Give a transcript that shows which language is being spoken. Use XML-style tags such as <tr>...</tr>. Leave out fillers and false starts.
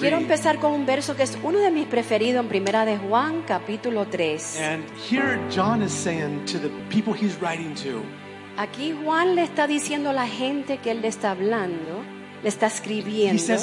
<es>Quiero empezar con un verso que es uno de mis preferidos en Primera de Juan capítulo 3.</es> <en>And here John is saying to the people he's writing to.</en> <es>Aquí Juan le está diciendo a la gente que él le está hablando, le está escribiendo.</es>